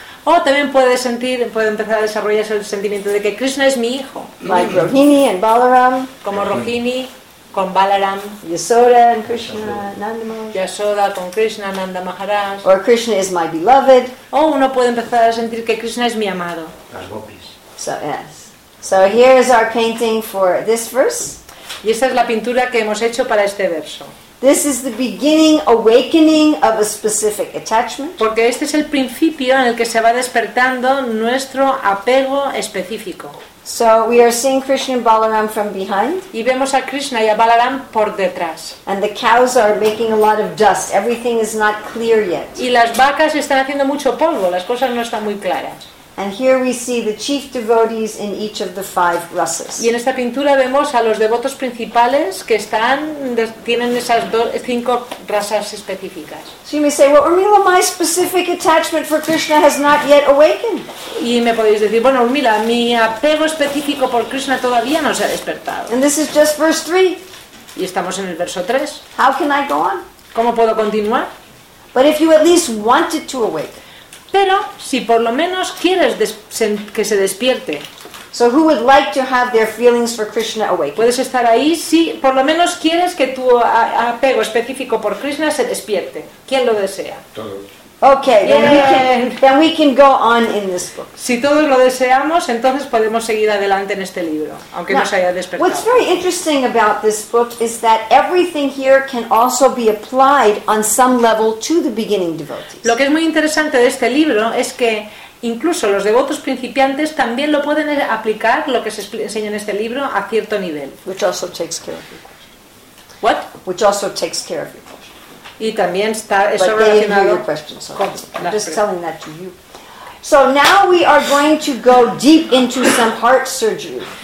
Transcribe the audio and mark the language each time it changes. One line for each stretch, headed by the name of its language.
Spanish: O también puede sentir, puede empezar a desarrollarse el sentimiento de que Krishna es mi hijo.
English: Like Rohini and Balaram.
Spanish: Como Rohini. con Balaram,
English: Yasoda and Krishna, Nanda Maharaj.
Spanish: Yasoda con Krishna, Nanda Maharaj.
English: Or Krishna is my beloved.
Spanish: O uno puede empezar a sentir que Krishna es mi amado. Las gopis.
English: So yes. So here is our painting for this verse.
Spanish: Y esta es la pintura que hemos hecho para este verso.
English: This is the beginning awakening of a specific attachment.
Spanish: Porque este es el principio en el que se va despertando nuestro apego específico.
English: So we are seeing Krishna and Balaram from behind.
Spanish: Y vemos a Krishna y a Balaram por detrás.
English: And the cows are making a lot of dust. Everything is not clear yet.
Spanish: Y las vacas están haciendo mucho polvo. Las cosas no están muy claras.
English: And here we see the chief devotees in each of the five rasas.
Spanish: Y en esta pintura vemos a los devotos principales que están tienen esas cinco rasas específicas.
English: So you may say, well, Urmila, my specific attachment for Krishna has not yet awakened.
Spanish: Y me podéis decir, bueno, Urmila, mi apego específico por Krishna todavía no se ha despertado.
English: And this is just verse 3.
Spanish: Y estamos en el verso 3.
English: How can I go on?
Spanish: ¿Cómo puedo continuar?
English: But if you at least wanted to awaken.
Spanish: Pero si por lo menos quieres que se despierte.
English: So who would like to have their feelings for Krishna awakened?
Spanish: Puedes estar ahí si por lo menos quieres que tu apego específico por Krishna se despierte. ¿Quién lo desea? Todos.
English: Okay, yeah. then we can go on in this book.
Spanish: Si todos lo deseamos, entonces podemos seguir adelante en este libro, aunque no se haya despertado.
English: What's very interesting about this book is that everything here can also be applied on some level to the beginning devotees.
Spanish: Lo que es muy interesante de este libro es que incluso los devotos principiantes también lo pueden aplicar, lo que se enseña en este libro, a cierto nivel.
English: Which also takes care of your question. What? Which also takes care of your question.
Spanish: Y también está eso relacionado con las
English: just telling that to you. So now we are going to go deep into some heart surgery.